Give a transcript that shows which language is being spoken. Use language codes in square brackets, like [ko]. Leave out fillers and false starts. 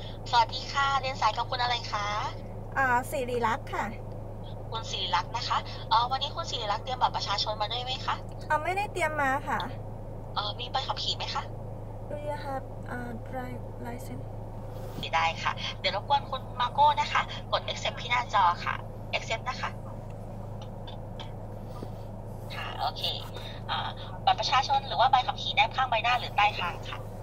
[th] สวัสดีค่ะ เรียนสายกับคุณอะไรคะ สิริลักษณ์ค่ะ คุณสิริลักษณ์นะคะ วันนี้คุณสิริลักษณ์เตรียมบัตรประชาชนมาด้วยไหมคะ ไม่ได้เตรียมมาค่ะ มีใบขับขี่ไหมคะ [en] Do you have a driver's license? [th] ได้ค่ะ เดี๋ยวรบกวนคุณมาโก้นะคะ กด accept ที่หน้าจอค่ะ accept นะคะโอเคบัตรประชาชนหรือว่าใบขับขี่ด้านข้างใบหน้าหรือใต้คางค่ะ